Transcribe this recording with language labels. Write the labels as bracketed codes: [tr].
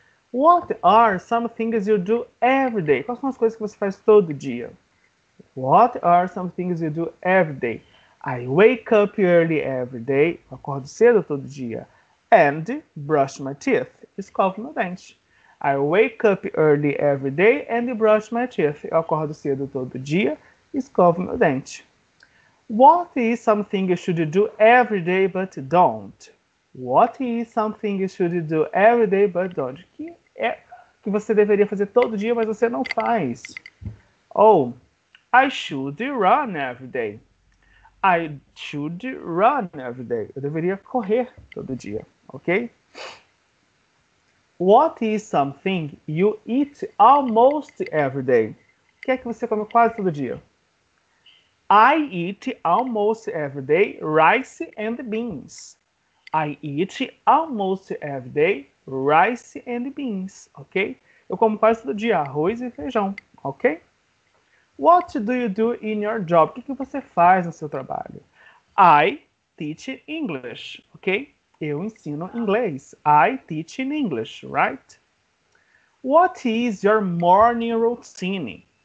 [en] What are some things you do every day? [pt] Quais são as coisas que você faz todo dia? [en] What are some things you do every day? I wake up early every day, [pt] acordo cedo todo dia, [en] and brush my teeth, [pt] escovo meu dente. [en] I wake up early every day and brush my teeth. [pt] Eu acordo cedo todo dia, escovo meu dente. [en] What is something you should do every day but don't? What is something you should do every day but don't? [pt] Que é que você deveria fazer todo dia, mas você não faz? [en] Oh, I should run every day. I should run every day. [pt] Eu deveria correr todo dia, ok? [en] What is something you eat almost every day? [pt] O que é que você come quase todo dia? [en] I eat almost every day rice and beans. I eat almost every day rice and beans, ok? [pt] Eu como quase todo dia arroz e feijão, ok? [en] What do you do in your job? [pt] O que que você faz no seu trabalho? [en] I teach English, ok? [pt] Eu ensino inglês. [en] I teach in English, right? What is your morning routine?